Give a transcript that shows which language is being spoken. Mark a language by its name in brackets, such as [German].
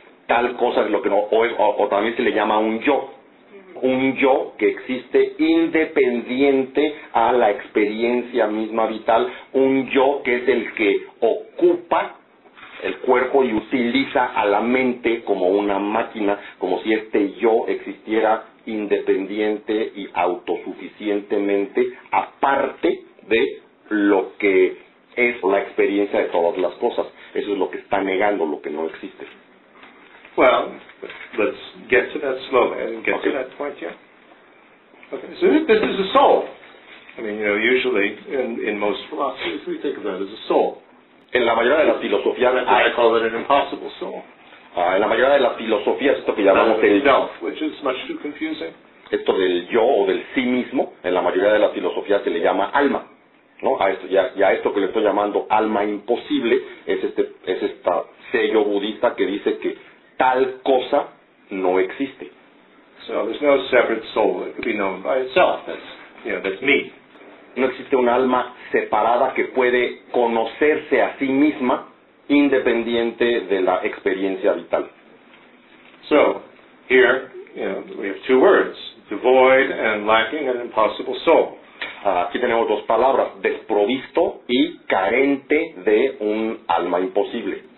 [Spanish] Tal cosa es lo que no, o también se le llama un yo que existe independiente a la experiencia misma vital, un yo que es el que ocupa el cuerpo y utiliza a la mente como una máquina, como si este yo existiera independiente y autosuficientemente aparte de lo que es la experiencia de todas las cosas. Eso es lo que está negando, lo que no existe. [English] Well, let's get to that slowly and get to that point here. Okay, so this is a soul. I mean, you know, usually in most philosophies we think of that as a soul. [Spanish] En la mayoría de las filosofías, [English] I call it an impossible soul. [Spanish] En la mayoría de las filosofías, esto que llamamos el [English] self, which is much too confusing. [Spanish] Esto del yo o del sí mismo, en la mayoría de las filosofías se le llama alma, ¿no? A esto que le estoy llamando alma imposible es este sello budista que dice que tal cosa no existe. [English] So there's no separate soul that could be known by itself. That's, you know, that's me. [Spanish] No existe un alma separada que puede conocerse a sí misma independiente de la experiencia vital. [English] So here, you know, we have two words: devoid and lacking an impossible soul. [Spanish] Aquí tenemos dos palabras: desprovisto y carente de un alma imposible.